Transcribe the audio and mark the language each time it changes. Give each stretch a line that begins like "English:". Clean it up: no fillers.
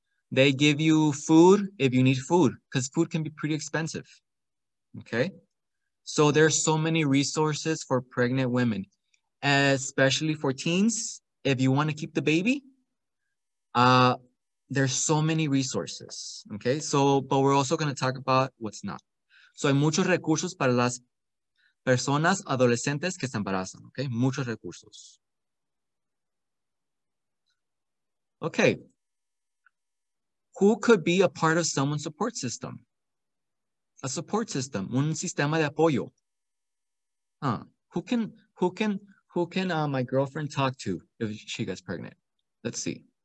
English: They give you food if you need food, because food can be pretty expensive. Okay. So there's so many resources for pregnant women, especially for teens. If you want to keep the baby, there's so many resources. Okay. So, but we're also going to talk about what's not.
Spanish: So hay muchos recursos para las personas adolescentes que se embarazan. Okay. Muchos recursos.
English: Okay, who could be a part of someone's support system? A support system,
Spanish: un sistema de apoyo.
English: Who can my girlfriend talk to if she gets pregnant? Let's see.